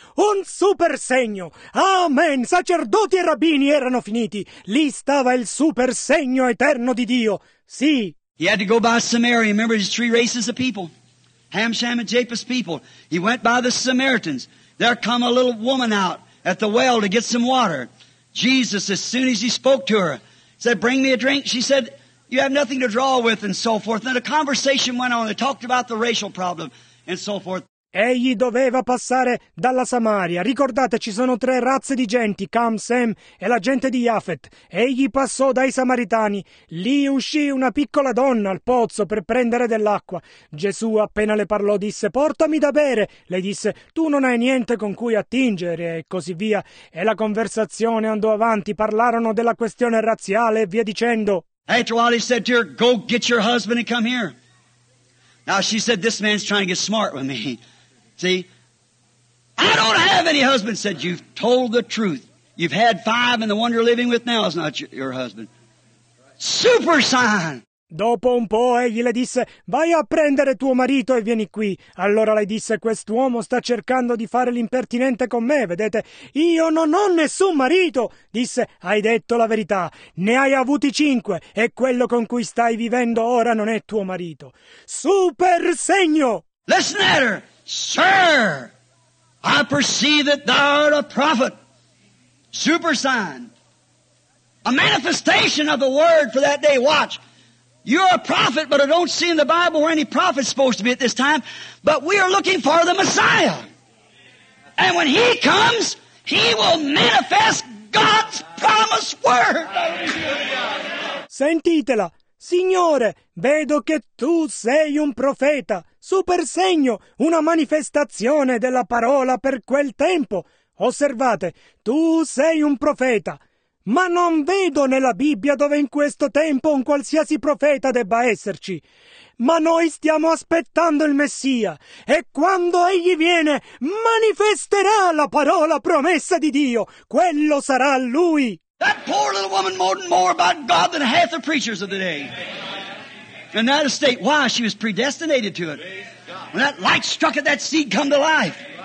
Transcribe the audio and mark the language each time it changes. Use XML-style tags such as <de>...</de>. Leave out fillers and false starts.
<it>Un super segno. Amen. Sacerdoti e rabbini erano finiti. Lì stava il super segno eterno di Dio. Sì.</it> <en>He had to go by Samaria. Remember his three races of people? Ham, Shem, and Japheth's people. He went by the Samaritans. There come a little woman out at the well to get some water. Jesus, as soon as he spoke to her, said, bring me a drink. She said, you have nothing to draw with, and so forth. Then a conversation went on. They talked about the racial problem, and so forth.</en> <it>Egli doveva passare dalla Samaria. Ricordate, ci sono tre razze di genti, Cam, Sem e la gente di Yafet. Egli passò dai Samaritani. Lì uscì una piccola donna al pozzo per prendere dell'acqua. Gesù, appena le parlò, disse, portami da bere. Lei disse, tu non hai niente con cui attingere, e così via. E la conversazione andò avanti. Parlarono della questione razziale e via dicendo.</it> <en>After a while he said to her, go get your husband and come here. Now she said, this man's trying to get smart with me. See, I don't have any husband, said, you've told the truth. You've had five and the one you're living with now is not your husband. Super sign!</en> <it>Dopo un po' egli le disse, vai a prendere tuo marito e vieni qui. Allora lei disse, quest'uomo sta cercando di fare l'impertinente con me, vedete? Io non ho nessun marito. Disse, hai detto la verità, ne hai avuti cinque e quello con cui stai vivendo ora non è tuo marito. Super segno!</it> <en>Listen at her. Sir, I perceive that thou art a prophet. Super sign. A manifestation of the word for that day. Watch. You're a prophet, but I don't see in the Bible where any prophet's supposed to be at this time. But we are looking for the Messiah. And when he comes, he will manifest God's promised word.</en> <it>Sentitela. Signore, vedo che tu sei un profeta. Super segno, una manifestazione della parola per quel tempo. Osservate, tu sei un profeta. Ma non vedo nella Bibbia dove in questo tempo un qualsiasi profeta debba esserci. Ma noi stiamo aspettando il Messia, e quando egli viene, manifesterà la parola promessa di Dio. Quello sarà lui.</it> <en>That poor little woman knew more about God than half the preachers of the day. In that estate, why? She was predestinated to it. When that light struck it, that seed come to life.</en>